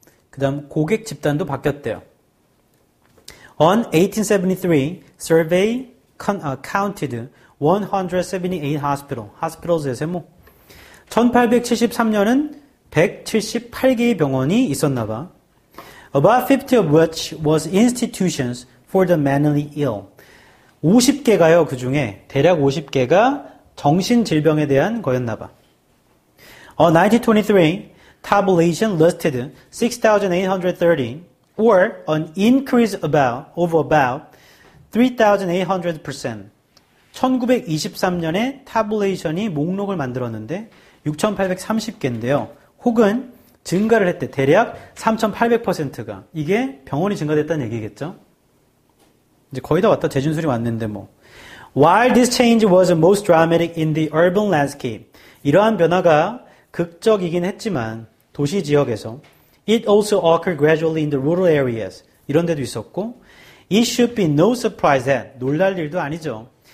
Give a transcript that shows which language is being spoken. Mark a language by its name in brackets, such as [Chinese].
[Korean] 그 다음 고객 집단도 바뀌었대요. [English] On 1873, survey counted 178 hospital, hospitals의 [Korean] 세모. 1873년은 178개의 병원이 있었나 봐. [English] About 50 of which was institutions for the mentally ill. [Korean] 50개가요, 그 중에. 대략 50개가 정신질병에 대한 거였나 봐. [English] On 1923, tabulation listed 6,830 or an increase of about 3,800%. [Korean] 1923년에 타블레이션이 목록을 만들었는데 6830개인데요. 혹은 증가를 했대. 대략 3800%가. 이게 병원이 증가됐다는 얘기겠죠. 이제 거의 다 왔다. 재진술이 왔는데 뭐. [English] While this change was most dramatic in the urban landscape. [Korean] 이러한 변화가 극적이긴 했지만 도시 지역에서 [English] It also occurred gradually in the rural areas. [Korean] 이런 데도 있었고 [English] It should be no surprise that [Korean] 놀랄 일도 아니죠.